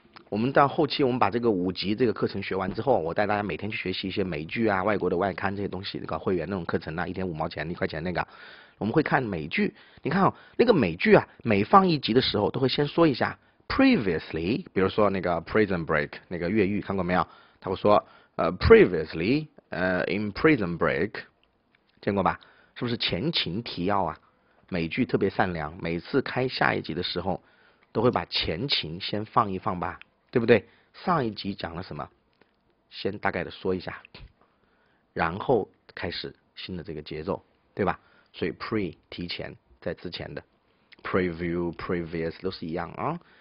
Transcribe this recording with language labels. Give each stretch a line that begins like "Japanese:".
Chinese: 我们到后期，我们把这个5级这个课程学完之后，我带大家每天去学习一些美剧啊、外国的外刊这些东西，搞会员那种课程啊，1天5毛钱、1块钱那个，我们会看美剧。你看哦，那个美剧啊，每放一集的时候都会先说一下 previously，比如说那个 Prison Break 那个越狱，看过没有？他会说。
English: Previously, in Prison Break，见过吧？
Chinese: 是不是前情提要啊？美剧特别善良，每次开下一集的时候，都会把前情先放一放吧，对不对？上一集讲了什么？先大概的说一下，然后开始新的这个节奏，对吧？所以 pre 提前，在之前的 preview、previous 都是一样啊。